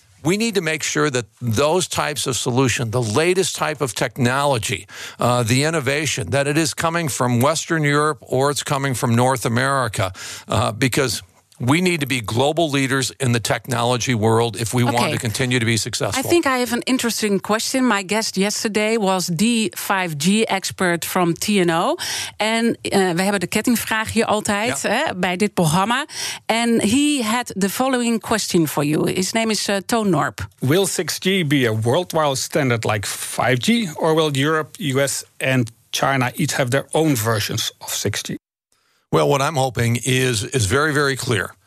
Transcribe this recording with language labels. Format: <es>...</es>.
<en>we need to make sure that those types of solution, the latest type of technology, the innovation, that it is coming from Western Europe or it's coming from North America, because we need to be global leaders in the technology world if we want to continue to be successful. I think I have an interesting question. My guest yesterday was the 5G expert from TNO.</en> <nl>En we hebben de kettingvraag hier altijd bij dit programma.</nl> <en>And he had the following question for you. His name is Toon Norp. Will 6G be a worldwide standard like 5G? Or will Europe, US and China each have their own versions of 6G? Well, what I'm hoping is very, very clear</en>